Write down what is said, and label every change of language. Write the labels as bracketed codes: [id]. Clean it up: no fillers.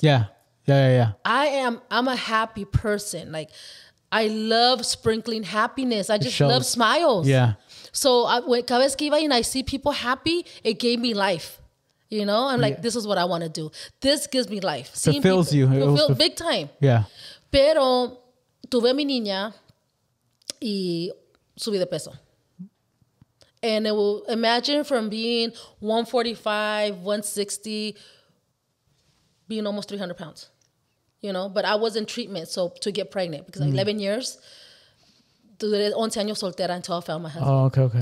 [en] Yeah. Yeah, yeah, yeah. I'm a happy person. Like, I love sprinkling happiness. I just love smiles. Yeah. So [es] cada vez que iba [en] and I see people happy, it gave me life. You know, I'm like, this is what I want to do. This gives me life. It fulfills you. Big time. Yeah. [es] Pero tuve mi niña y subí de peso. [en] And it will imagine from being 145, 160, being almost 300 pounds. You know, but I was in treatment, so to get pregnant, because 11 years, [es] 11 años soltera [en] until I found my husband. Oh, okay.